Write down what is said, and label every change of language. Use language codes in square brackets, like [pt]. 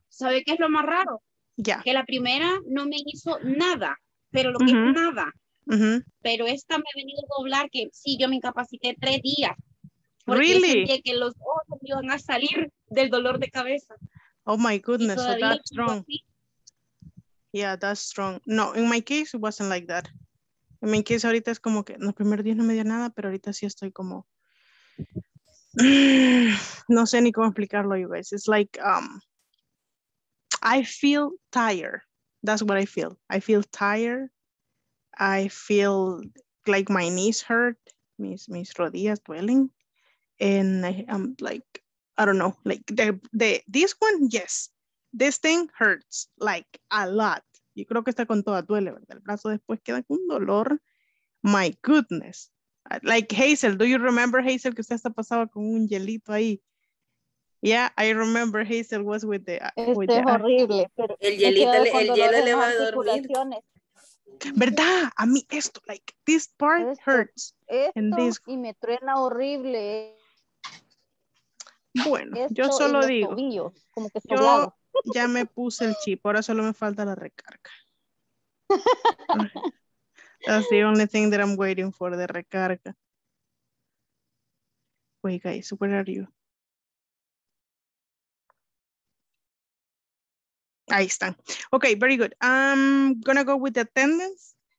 [es] ¿Sabe qué es lo más raro? Ya. Yeah. Que la primera no me hizo nada, pero lo que es nada. Pero esta me ha venido a doblar que sí, yo me incapacité 3 días. Porque [en] really? [es] Sentí que los ojos iban a salir del dolor de cabeza. [en] Oh my goodness, so that's strong. Yeah, that's strong. No, in my case it wasn't like that. [es] En mi caso ahorita es como que en los primeros días no me dio nada, pero ahorita sí estoy como, no sé ni cómo explicarlo, [en] you guys. It's like, I feel tired. That's what I feel. I feel tired. I feel like my knees hurt. [es] Mis rodillas duelen. [en] And I'm like, I don't know, like this one, yes. This thing hurts like a lot. [es] Yo creo que está con toda, duele, ¿verdad? El brazo después queda con un dolor. [en] My goodness. Like Hazel, do you remember Hazel [es] que usted hasta pasaba con un hielito ahí? [en] Yeah, I remember Hazel was with the... [es] Este es horrible. Pero el hielito, el hielo le va a dormir. ¿Verdad? A mí esto, like, [en] this part [es] esto, [en] hurts. [es] Esto y me truena horrible. Bueno, esto yo solo digo. Tobillo, como que yo... Ya me puse el chip, ahora solo me falta la recarga. [en] That's the only thing that I'm waiting for, the recarga. Wait, guys, where are you? [es] Ahí están. [en] Okay, very good. I'm gonna go with the attendance.